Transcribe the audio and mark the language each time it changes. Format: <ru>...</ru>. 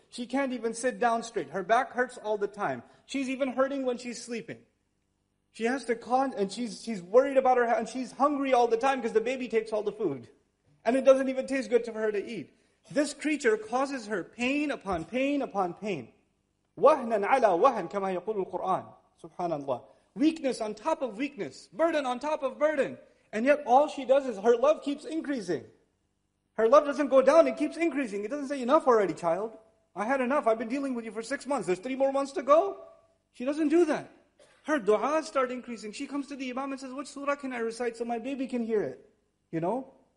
<en>She can't even sit down straight. Her back hurts all the time. She's even hurting when she's sleeping. She has to she's worried about her, and she's hungry all the time because the baby takes all the food. And it doesn't even taste good for her to eat. This creature causes her pain upon pain upon pain.</en> <ar>وَهْنًا عَلَى وَهْنًا كَمَا يَقُولُ الْقُرْآنِ SubhanAllah.</ar> <en>Weakness on top of weakness. Burden on top of burden. And yet all she does is her love keeps increasing. Her love doesn't go down, it keeps increasing. It doesn't say, enough already, child. I had enough. I've been dealing with you for 6 months. There's 3 more months to go. She doesn't do that. Her du'as start increasing. She comes to the imam and says, which surah can I recite so my baby can hear it? You know?</en>